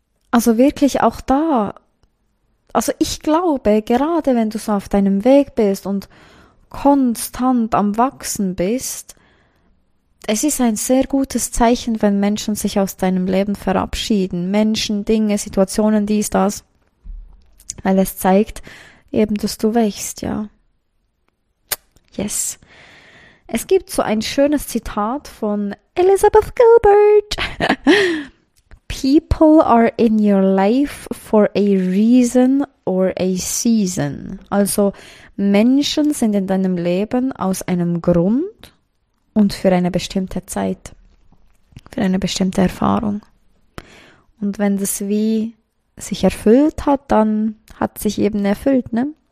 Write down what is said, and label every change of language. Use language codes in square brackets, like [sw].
[de] Also wirklich auch da. Also ich glaube, gerade wenn du so auf deinem Weg bist und konstant am Wachsen bist, es ist ein sehr gutes Zeichen, wenn Menschen sich aus deinem Leben verabschieden. Menschen, Dinge, Situationen, dies, das. Weil es zeigt eben, dass du wächst, ja. Yes. Es gibt so ein schönes Zitat von Elizabeth Gilbert. [en] People are in your life for a reason or a season. [de] Also Menschen sind in deinem Leben aus einem Grund. Und für eine bestimmte Zeit, für eine bestimmte Erfahrung. Und wenn das Wie sich erfüllt hat, dann hat sich eben erfüllt, ne?